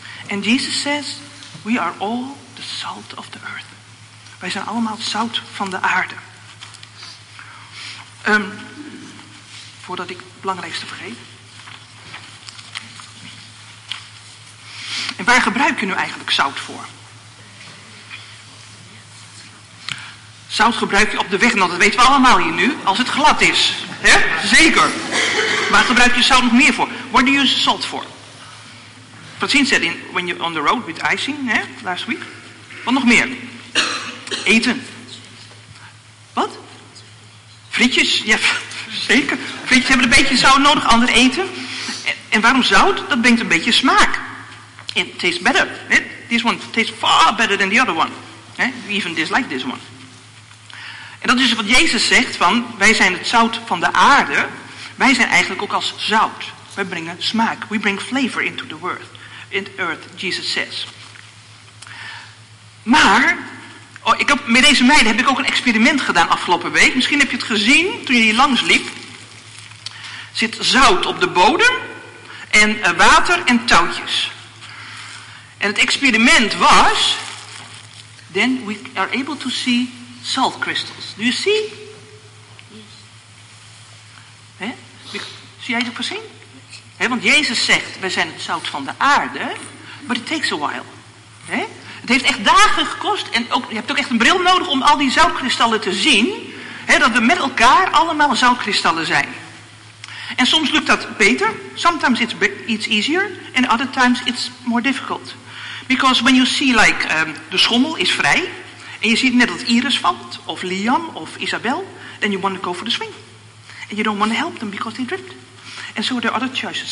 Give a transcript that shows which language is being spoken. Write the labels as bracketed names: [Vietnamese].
[English] And Jesus says, we are all the salt of the earth. [Dutch] Wij zijn allemaal zout van de aarde. Voordat ik het belangrijkste vergeet. En waar gebruik je nu eigenlijk zout voor? Zout gebruik je op de weg, en dat weten we allemaal hier nu, als het glad is. Hè? Zeker. Waar gebruik je zout nog meer voor? Waar doe je zout voor? [English] Francine said, when you're on the road with icing, eh, last week. [Dutch] Wat nog meer? Eten. Wat? Frietjes? Ja, zeker. Frietjes hebben een beetje zout nodig, ander eten. En waarom zout? Dat brengt een beetje smaak. [English] It tastes better. Eh? This one tastes far better than the other one. Eh? We even dislike this one. [Dutch] En dat is wat Jezus zegt, van wij zijn het zout van de aarde. Wij zijn eigenlijk ook als zout. Wij brengen smaak. [English] We bring flavor into the world. In earth, Jesus says. [Dutch] Maar, oh, ik heb, met deze meiden heb ik ook een experiment gedaan afgelopen week. Misschien heb je het gezien toen je hier langs liep. Zit zout op de bodem en water en touwtjes. En het experiment was, [English] then we are able to see salt crystals. Do you see? Yes. [Dutch] Zie jij het precies? He, want Jezus zegt, wij zijn het zout van de aarde, [English] but it takes a while. [Dutch] He? Het heeft echt dagen gekost, en ook, je hebt ook echt een bril nodig om al die zoutkristallen te zien, he, dat we met elkaar allemaal zoutkristallen zijn. En soms lukt dat beter, [English] sometimes it's easier, and other times it's more difficult. Because when you see, like, [Dutch] de schommel is vrij, en je ziet net dat Iris valt, of Liam, of Isabel, [English] then you want to go for the swing. And you don't want to help them because they drift. And so there are other choices.